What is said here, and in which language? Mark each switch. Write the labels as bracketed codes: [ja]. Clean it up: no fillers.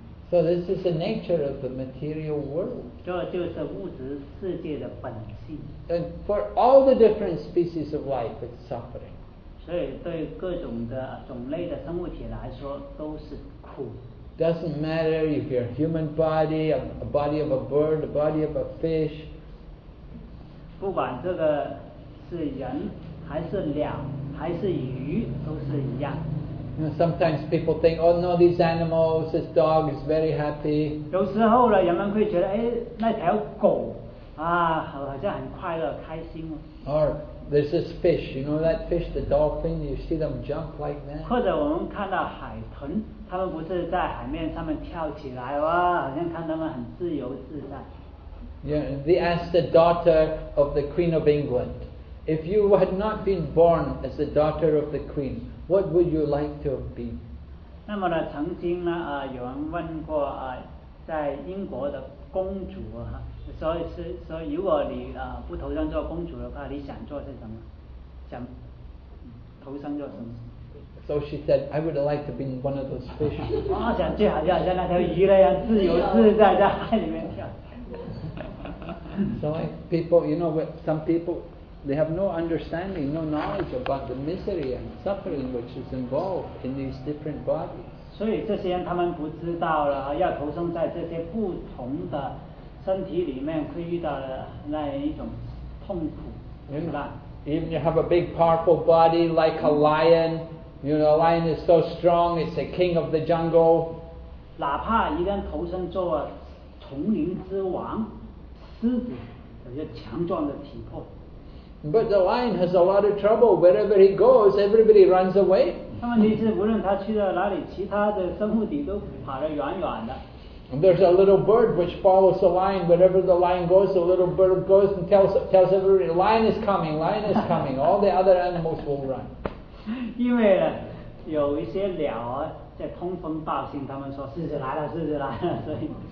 [en] So this is the nature of the material world. [zh] 这就是物质世界的本性。 [en] And for all the different species of life, it's suffering. [zh] 所以对各种的种类的生物体来说都是苦。 [en] Doesn't matter if you're a human body, a body of a bird, a body of a fish. [zh] 不管这个是人还是鸟还是鱼都是一样。 [en] Sometimes people think, oh no, these animals, this dog is very happy. [zh] 有时候呢，人们会觉得，哎，那条狗，啊，好像很快乐，开心哦。 [en] Or there's this fish, you know that fish, the dolphin, you see them jump like that. [zh] 或者我们看到海豚，他们不是在海面上面跳起来，哇，好像看他们很自由自在。 [en] Yeah, they asked the daughter of the Queen of England, if you had not been born as the daughter of the Queen, what would you like to have been? [zh] 那么呢，曾经呢，有人问过在英国的公主哈，说如果你不投生做公主的话，你想做些什么？想投生做什么？ [en] So she said, I would like to be one of those fish. [zh] 我想最好就好像那条鱼那样自由自在在海里面跳。 [en] So like people, you know, some people. They have no understanding, no knowledge about the misery and suffering which is involved in these different bodies. [zh] 所以这些人他们不知道了，要投生在这些不同的身体里面，会遇到的那一种痛苦，是吧？ [en] Even you have a big, powerful body like a lion. You know, a lion is so strong; it's the king of the jungle. [zh] 哪怕一个人投生做丛林之王，狮子，有些强壮的体魄。 [en] But the lion has a lot of trouble. Wherever he goes, everybody runs away. [zh] 问题是，无论他去到哪里，其他的生物体都跑得远远的。 [en] And there's a little bird which follows the lion. Wherever the lion goes, the little bird goes and tells everybody, "Lion is coming! Lion is coming!" All the other animals will run. [zh] 因为有一些鸟在通风报信，他们说狮子来了，狮子来了，所以。